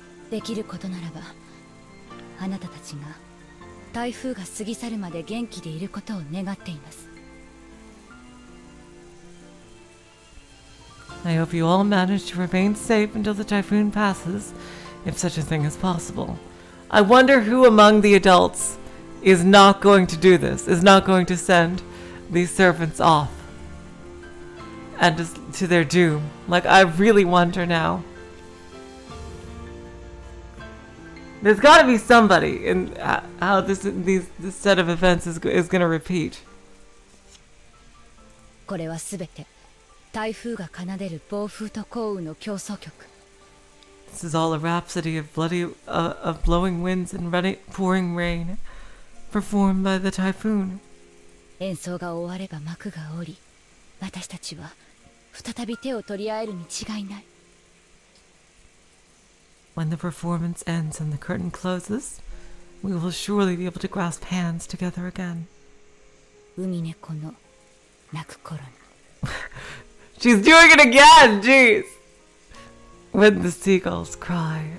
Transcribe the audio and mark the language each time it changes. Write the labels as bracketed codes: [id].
[ja] できることならば、あなたたちが台風が過ぎ去るまで元気でいることを願っています。 [en] I hope you all manage to remain safe until the typhoon passes, if such a thing is possible. I wonder who among the adults is not going to do this, is not going to send these servants off and to their doom. Like, I really wonder now. There's got to be somebody in how this set of events is going to repeat. これはすべて台風が奏でる暴風と降雨の競争曲。 This is all a rhapsody of bloody of blowing winds and pouring rain, performed by the typhoon. 演奏が終われば幕が下り、私たちは再び手を取り合えるに違いない。 When the performance ends and the curtain closes, we will surely be able to grasp hands together again. [ja] Umineko no naku koro ni. [en] She's doing it again! Jeez! When the seagulls cry.